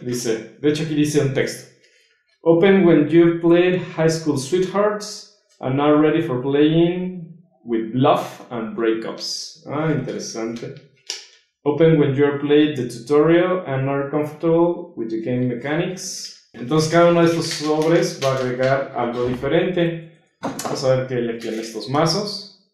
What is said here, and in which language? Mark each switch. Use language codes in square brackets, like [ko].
[es] Dice, de hecho, aquí dice un texto. [en] Open when you've played High School Sweethearts and are ready for playing with Bluff and Breakups. [es] Ah, interesante. [en] Open when you're played the tutorial and are comfortable with the game mechanics. [es] Entonces cada uno de estos sobres va a agregar algo diferente. Vamos a ver qué le quieren estos mazos.